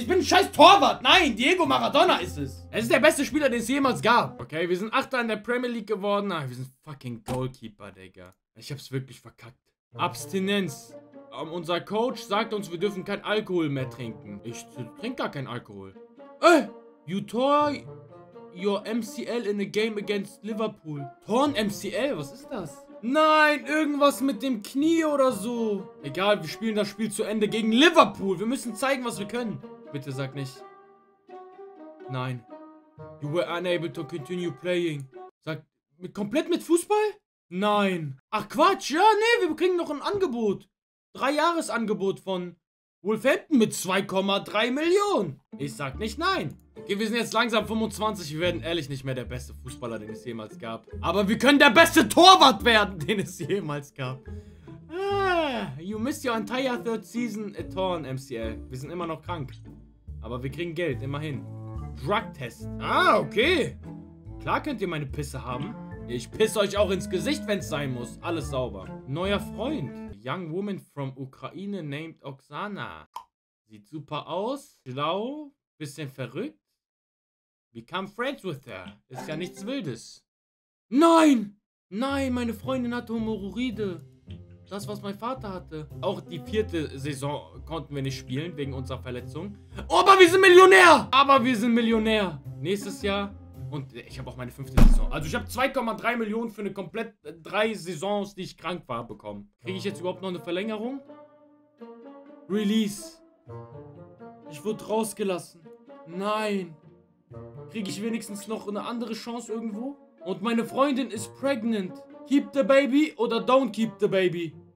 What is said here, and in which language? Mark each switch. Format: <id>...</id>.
<de>Ich bin ein scheiß Torwart. Nein, Diego Maradona ist es. Er ist der beste Spieler, den es jemals gab. Okay, wir sind Achter in der Premier League geworden. Ah, wir sind fucking Goalkeeper, Digga. Ich hab's wirklich verkackt. Abstinenz. Unser Coach sagt uns, wir dürfen kein Alkohol mehr trinken. Ich trinke gar keinen Alkohol.</de> <en>You tore your MCL in a game against Liverpool.</en> <de>Torn MCL? Was ist das? Nein, irgendwas mit dem Knie oder so. Egal, wir spielen das Spiel zu Ende gegen Liverpool. Wir müssen zeigen, was wir können. Bitte sag nicht. Nein.</de> <en>You were unable to continue playing.</en> <de>Sag, komplett mit Fußball? Nein. Ach Quatsch, ja, nee, wir kriegen noch ein Angebot. 3-Jahres-Angebot von Wolverhampton mit 2,3 Millionen. Ich sag nicht nein. Okay, wir sind jetzt langsam 25. Wir werden ehrlich nicht mehr der beste Fußballer, den es jemals gab. Aber wir können der beste Torwart werden, den es jemals gab.</de> <en>You missed your entire third season at Torn MCL.</en> <de>Wir sind immer noch krank. Aber wir kriegen Geld, immerhin. Drug-Test. Ah, okay. Klar könnt ihr meine Pisse haben. Ich pisse euch auch ins Gesicht, wenn es sein muss. Alles sauber. Neuer Freund.</de> <en>Young woman from Ukraine named Oksana.</en> <de>Sieht super aus. Schlau. Bisschen verrückt.</de> <en>Become friends with her.</en> <de>Ist ja nichts Wildes. Nein! Nein, meine Freundin hatte Hämorrhoide. Das, was mein Vater hatte. Auch die vierte Saison konnten wir nicht spielen, wegen unserer Verletzung. Oh, aber wir sind Millionär! Aber wir sind Millionär. Nächstes Jahr. Und ich habe auch meine fünfte Saison. Also ich habe 2,3 Millionen für eine komplett 3 Saisons, die ich krank war, bekommen. Kriege ich jetzt überhaupt noch eine Verlängerung? Release. Ich wurde rausgelassen. Nein. Kriege ich wenigstens noch eine andere Chance irgendwo? Und meine Freundin ist pregnant.</de> <en>Keep the baby oder don't keep the baby?</en>